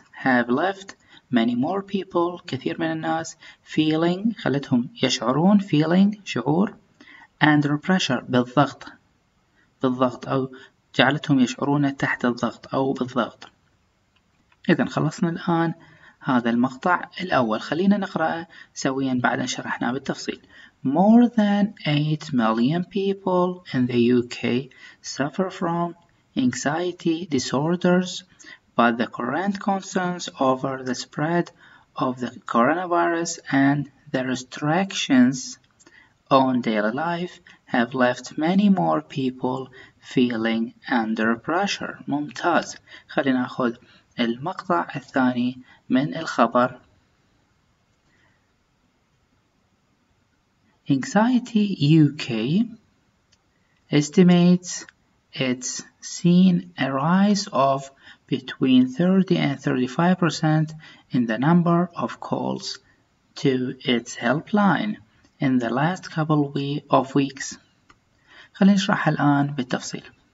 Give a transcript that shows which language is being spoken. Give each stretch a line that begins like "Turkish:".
English: have left many more people
Arabic: كثير من الناس
English: feeling
Arabic: خلتهم يشعرون
English: feeling
Arabic: شعور
English: under pressure
Arabic: بالضغط بالضغط أو جعلتهم يشعرون تحت الضغط أو بالضغط. إذن خلصنا الآن هذا المقطع الأول، خلينا نقرأه سويا بعد أن شرحناه بالتفصيل.
English: More than 8 million people in the UK suffer from anxiety disorders, but the current concerns over the spread of the coronavirus and the restrictions on daily life have left many more people feeling under pressure.
Arabic: ممتاز. خلينا نأخذ المقطع الثاني من الخبر.
English: Anxiety UK estimates it's seen a rise of between 30 and 35% in the number of calls to its helpline in the last couple of weeks.
Arabic: خلينا نشرح الآن بالتفصيل.